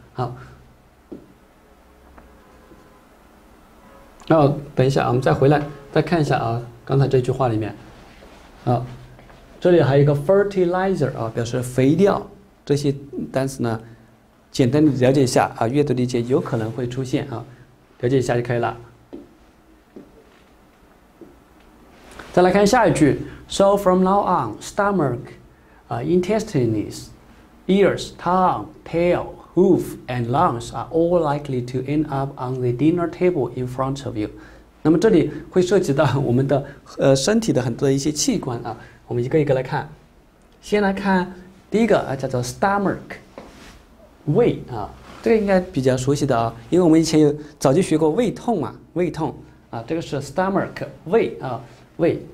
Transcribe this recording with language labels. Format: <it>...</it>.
<zh>好，哦，等一下，我们再回来再看一下啊。刚才这句话里面，啊，这里还有一个 fertilizer 啊，表示肥料。这些单词呢，简单的了解一下啊，阅读理解有可能会出现啊，了解一下就可以了。再来看下一句</zh> <en>，So from now on, stomach, intestines, ears, tongue, tail, hoof, and lungs are all likely to end up on the dinner table in front of you。</en> <zh>那么这里会涉及到我们的身体的很多的一些器官啊，我们一个一个来看。先来看第一个啊，叫做 stomach， 胃啊，这个应该比较熟悉的啊，因为我们以前有早就学过胃痛嘛，胃痛啊，这个是 stomach， 胃啊，胃。</zh>